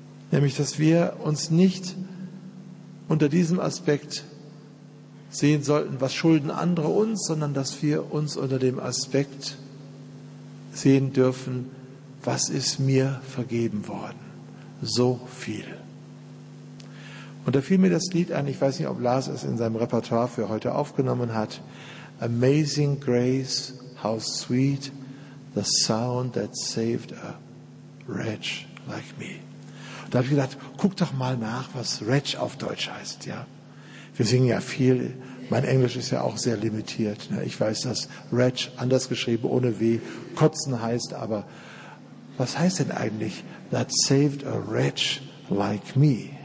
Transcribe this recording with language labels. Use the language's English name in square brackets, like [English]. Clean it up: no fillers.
[German] Nämlich, dass wir uns nicht unter diesem Aspekt sehen sollten, was schulden andere uns, sondern dass wir uns unter dem Aspekt sehen dürfen, was ist mir vergeben worden? So viel. Und da fiel mir das Lied ein, ich weiß nicht, ob Lars es in seinem Repertoire für heute aufgenommen hat. [English] Amazing Grace, how sweet the sound that saved a wretch like me. [German] Da habe ich gedacht, guck doch mal nach, was wretch auf Deutsch heißt, ja. Wir singen ja viel, mein Englisch ist ja auch sehr limitiert. Ne? Ich weiß, dass Wretch, anders geschrieben, ohne W, kotzen heißt, aber was heißt denn eigentlich, [English] that saved a wretch like me?